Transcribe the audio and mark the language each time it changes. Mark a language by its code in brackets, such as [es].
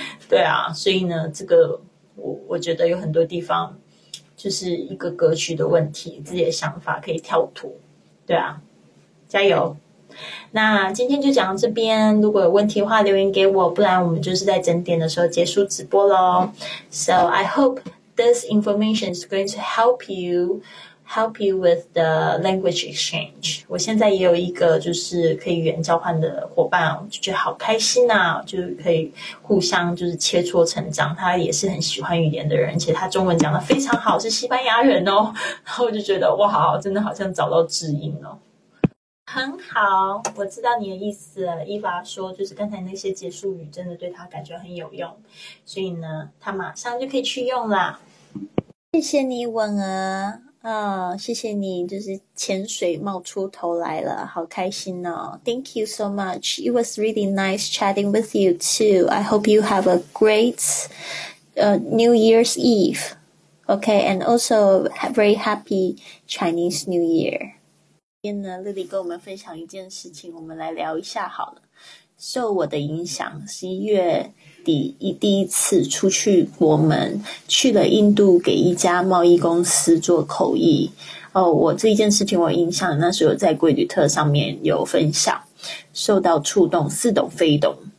[zh] 对啊，所以呢这个我觉得有很多地方就是一个格局的问题，自己的想法可以跳脱。对啊，加油。那今天就讲到这边，如果有问题的话留言给我，不然我们就是在整点的时候结束直播咯。 [en] So I hope this information is going to help you with the language exchange. [zh] 我现在也有一个就是可以语言交换的伙伴，就觉得好开心啊，就可以互相就是切磋成长，他也是很喜欢语言的人，而且他中文讲得非常好，是西班牙人哦，然后我就觉得哇，真的好像找到知音哦。很好，我知道你的意思了。伊娃说就是刚才那些结束语真的对他感觉很有用，所以呢他马上就可以去用啦。谢谢你吻儿、谢谢你就是潜水冒出头来了，好开心哦。 [en] Thank you so much. It was really nice chatting with you too. I hope you have a great New Year's Eve. Okay, and also very happy Chinese New Year. [zh] 今天呢，莉莉跟我们分享一件事情，我们来聊一下好了。受我的影响，11月底第一次出去国门，去了印度给一家贸易公司做口译。哦，我这一件事情我印象，那时候在贵旅特上面有分享，受到触动，似懂非懂。